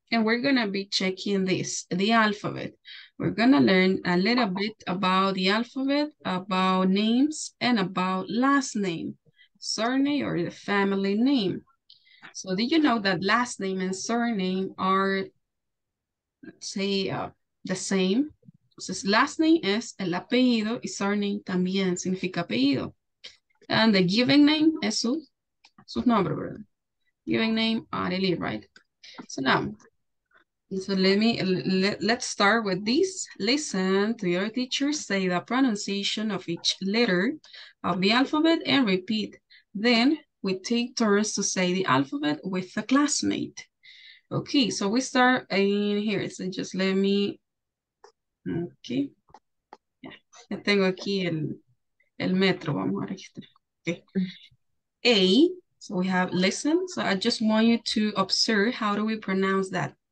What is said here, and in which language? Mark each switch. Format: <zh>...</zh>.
<en>And we're going to be checking this, the alphabet. We're going to learn a little bit about the alphabet, about names, and about last name, surname, or the family name. So did you know that last name and surname are, let's say, the same? So last name is</en> <es>el apellido, y surname también significa apellido.</es> <en>And the given name</en> <es>es su, su nombre, ¿verdad?</es> <en>Given name, Areli, right? So now, so let me, let's start with this. Listen to your teacher say the pronunciation of each letter of the alphabet and repeat. Then we take turns to say the alphabet with the classmate. Okay, so we start in here. So just let me, okay.</en> <es>Yeah, ya tengo aquí el, el metro, vamos a registrar.</es> <en>Okay. A, so we have listen. So I just want you to observe how do we pronounce that.</en>